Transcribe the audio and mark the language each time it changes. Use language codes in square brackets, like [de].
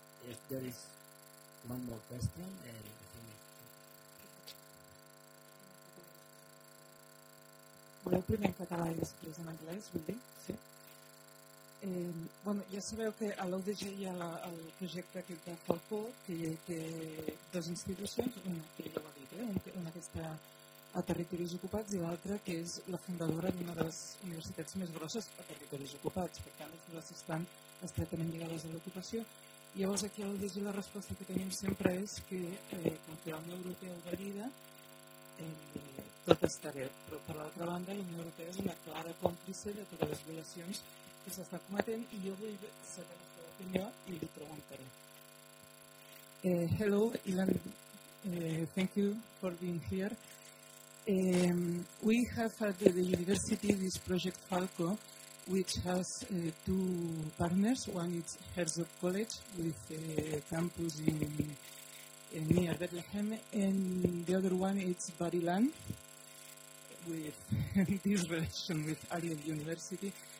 [en] If there is one more question, and I think... [ca] Voleu primer en català i després en anglès, vull dir? Sí. Bueno, ja sabeu que a l'UDG hi ha el projecte aquest de Falcó, que té dues institucions, una que ja ho ha dit, una que està a territoris ocupats i l'altra que és la fundadora d'una de les universitats més grosses a territoris ocupats. Per tant, les dues estan estretament lligades a l'ocupació. Llavors aquí al DG la resposta que tenim sempre és que com que la Unió Europea ho valida, tot està bé, però per l'altra banda la Unió Europea és una clara còmplice de totes les violacions que s'està cometent i jo vull saber la seva opinió i li preguntaré. [en] Hello, Ilan, thank you for being here. We have at the university this project Falco, which has two partners. One is Herzog College with a campus in near Bethlehem, and the other one is Bar-Ilan with this relation with Ariel University.